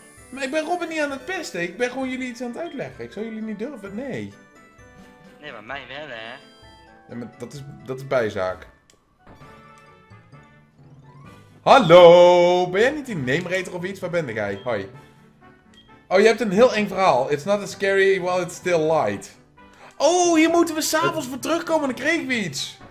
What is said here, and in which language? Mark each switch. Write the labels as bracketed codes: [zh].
[nl] Maar ik ben Robin niet aan het pesten, ik ben gewoon jullie iets aan het uitleggen. Ik zou jullie niet durven, nee. Nee, maar mij wel, hè. Ja, maar dat is bijzaak. Hallo, ben jij niet die nameraider of iets? Waar ben jij? Hoi. Oh, je hebt een heel eng verhaal. [en] It's not as scary while it's still light. [nl] Oh, hier moeten we s'avonds voor terugkomen, dan kregen we iets.